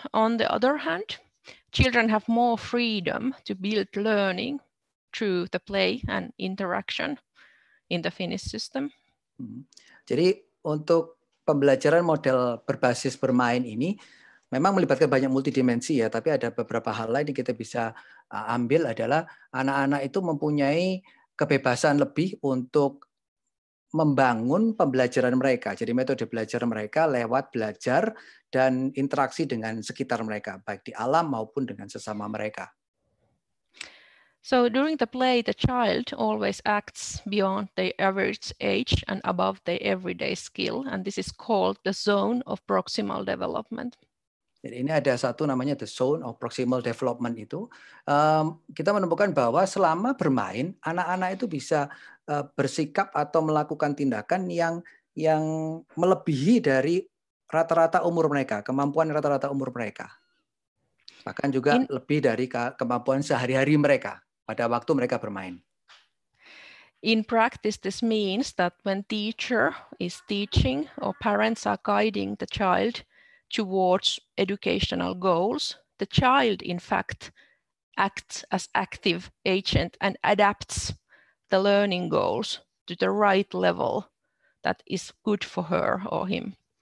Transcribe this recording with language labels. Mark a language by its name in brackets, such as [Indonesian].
[English] On the other hand, children have more freedom to build learning through the play and interaction in the Finnish system. [Indonesian] Jadi untuk pembelajaran model berbasis bermain ini memang melibatkan banyak multidimensi ya, tapi ada beberapa hal lain yang kita bisa ambil adalah anak-anak itu mempunyai kebebasan lebih untuk membangun pembelajaran mereka. Jadi metode belajar mereka lewat belajar dan interaksi dengan sekitar mereka, baik di alam maupun dengan sesama mereka. [English] So during the play, the child always acts beyond their average age and above their everyday skill, and this is called the zone of proximal development. [Indonesian] Jadi ini ada satu namanya the zone of proximal development itu. Kita menemukan bahwa selama bermain, anak-anak itu bisa bersikap atau melakukan tindakan yang melebihi dari rata-rata umur mereka, kemampuan rata-rata umur mereka. Bahkan juga lebih dari kemampuan sehari-hari mereka pada waktu mereka bermain. [English] In practice, this means that when teacher is teaching or parents are guiding the child towards educational goals, the child in fact acts as active agent and adapts the learning goals to the right level that is good for her or him.